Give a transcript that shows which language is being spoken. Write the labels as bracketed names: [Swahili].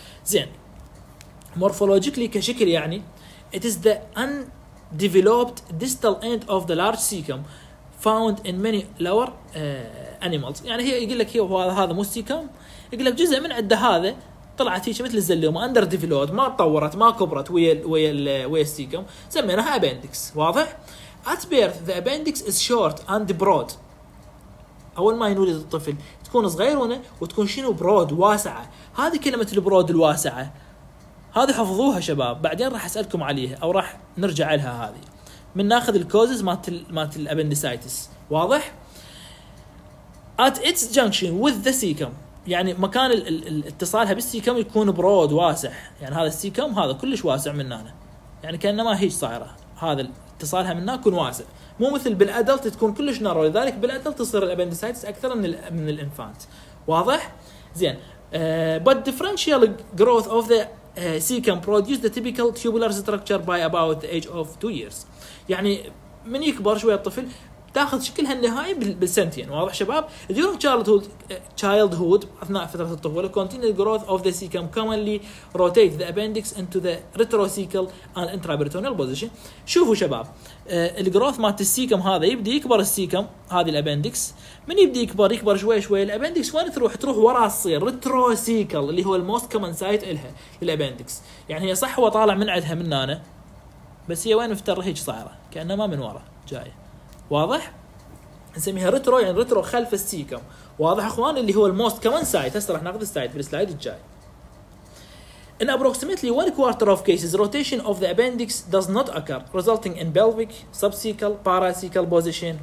[Arabic] زين مورفولوجيكلي كشكل يعني [English] it is the undeveloped distal end of the large cecum found in many lower animals. [Arabic] يعني هي يقول لك هي هذا مو سيكم، يقول لك جزء من عده هذا طلعت هيك مثل الزلومه اندر ديفلوبد ما تطورت ما كبرت ويا ويا ويا السيكم، سميناها ابندكس واضح. [English] At birth the appendix is short and broad. [Arabic] اول ما ينولد الطفل تكون صغيرونه وتكون شنو برود واسعه. هذه كلمه البرود الواسعه هذه حفظوها شباب، بعدين راح اسالكم عليها او راح نرجع لها. هذه من ناخذ الكوزز مات الابندسايتس واضح. [English] At its junction with the cecum [Arabic] يعني مكان الاتصالها بالسيكم يكون برود واسع، يعني هذا السيكم هذا كلش واسع من هنا يعني كأنما هيج صايرة، هذا اتصالها من هنا يكون واسع مو مثل بالأدلت تكون كلش نارو، لذلك بالأدلت تصير الابندسايتس أكثر من الانفانت واضح. [English] زين but differential growth of the cecum produce the typical tubular structure by about the age of 2 years. [Arabic] يعني من يكبر شوية الطفل تاخذ شكلها النهائي بالسنتين واضح شباب. [English] during childhood [Arabic] اثناء فتره الطفوله [English] continued growth of the cecum commonly rotate the appendix into the retrocecal and intraperitoneal position. [Arabic] شوفوا شباب الجروث مال السيكم هذا يبدي يكبر السيكم هذه الابندكس، من يبدي يكبر يكبر شوي شوي الابندكس وين تروح؟ تروح ورا تصير retrocecal اللي هو الموست كومن سايت لها للابندكس. يعني هي صح وطالع من عندها من هنا بس هي وين مفتر هيك صايره كانما من ورا جايه واضح. نسميها ريترو يعني ريترو خلف السيكم واضح اخوان، اللي هو الموست كومن سايت. هسه راح ناخذ السايت بالسلايد الجاي. [English] In approximately one quarter of cases rotation of the appendix does not occur resulting in pelvic subcecal paracecal position.